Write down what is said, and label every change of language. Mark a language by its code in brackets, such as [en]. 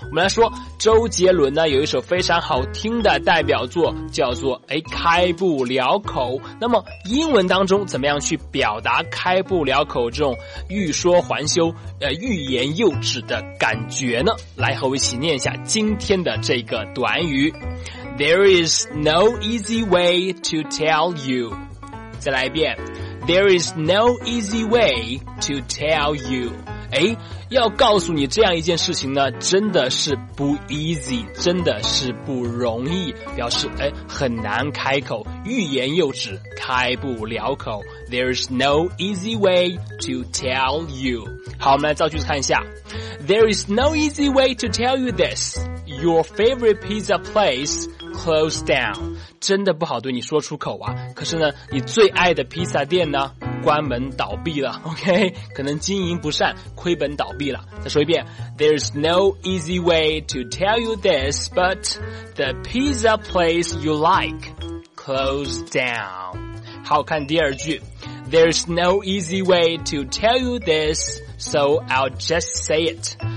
[zh] 我们来说周杰伦呢，有一首非常好听的代表作，叫做开不了口。那么英文当中怎么样去表达开不了口这种欲说还休、欲言又止的感觉呢？来和我一起念一下今天的这个短语。 [en] There is no easy way to tell you. [zh] 再来一遍。 [en] There is no easy way to tell you. [zh] 诶，要告诉你这样一件事情呢，真的是不 easy, 真的是不容易，表示诶，很难开口，欲言又止，开不了口。 [en] There is no easy way to tell you. [zh] 好，我们来造句子看一下。 [en] There is no easy way to tell you this. Your favorite pizza place closed down. [zh] 真的不好对你说出口啊，可是呢你最爱的披萨店呢关门倒闭了， OK, 可能经营不善，亏本倒闭了。再说一遍， [en] There's no easy way to tell you this, but the pizza place you like closed down. [zh] 好，看第二句。 [en] There's no easy way to tell you this, so I'll just say it.